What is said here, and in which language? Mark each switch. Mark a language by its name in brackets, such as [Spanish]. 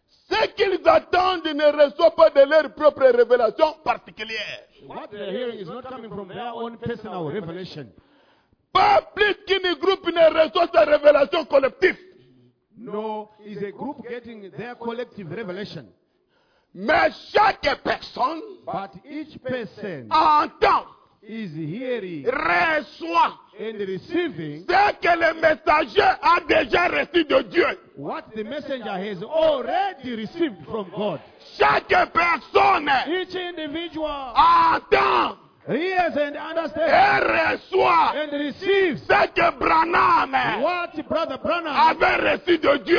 [French] Ce qu'ils attendent ne reçoit pas de leur propre révélation particulière. [English] What they are hearing is not coming from their own personal revelation. [French] Pas plus qu'un groupe ne reçoit sa révélation collective. [English] No, is a group getting their collective revelation. [French] Mais chaque personne, [English] but each person, [French] entend, [English] is hearing, [French] reçoit, [English] and receiving, [French] ce que le messager a déjà reçu de Dieu, [English] what the messenger has already received from God. [French] Chaque personne, [English] each individual, [French] entend, [English] hears and understands, [French] et reçoit, [English] and receives, [French] ce que Branham, [English] what Brother Branham, [French] avait reçu de Dieu,